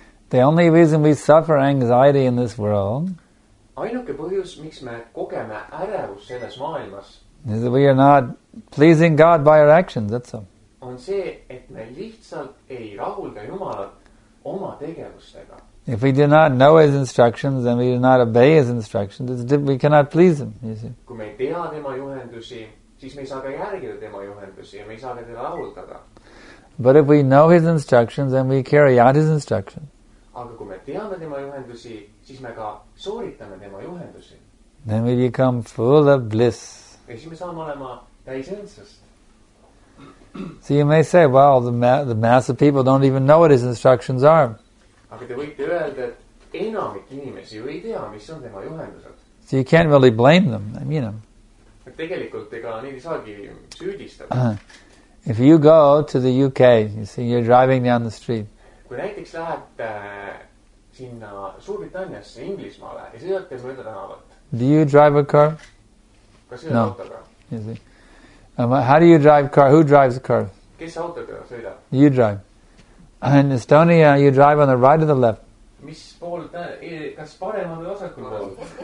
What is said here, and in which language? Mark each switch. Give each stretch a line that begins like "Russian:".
English: The only reason we suffer anxiety in this world
Estonian: ainuke põhjus, miks me kogeme ärevus selles maailmas,
English: is that we are not pleasing God by our actions, that's all.
Estonian: On see, et me lihtsalt ei rahulda Jumalat oma tegevustega.
English: If we do not know His instructions and we do not obey His instructions, we cannot please Him, you see.
Estonian: Kui me ei tea tema juhendusi, siis me ei saa ka järgida tema juhendusi ja me ei saa ka teda rahuldada.
English: But if we know His instructions and we carry out His instructions,
Estonian: aga kui me teame tema juhendusi, siis me ka sooritame tema juhendusi.
English: Then we become full of bliss.
Estonian: Ja siis me saame olema täis õndsust.
English: So you may say, well, the mass of people don't even know what his instructions are.
Estonian: Aga te võite öelda, et enamik inimesi ju ei tea, mis on tema juhendused.
English: So you can't really blame them, I mean them.
Estonian: Et tegelikult ega neid ei saagi süüdistada.
English: If you go to the UK, you see, you're driving down the street.
Estonian: Kui näiteks lähed sinna Suurbritanniasse, Inglismaale, ja sõidate mõõda tänavalt.
English: Do you drive a car?
Estonian: Kas sõidad autoga?
English: You see. How do you drive a car? Who drives a car?
Estonian: Kes autoga sõidab?
English: You drive. In Estonia, you drive on the right or the left?
Estonian: Mis pool kas parem on või vasakul pool?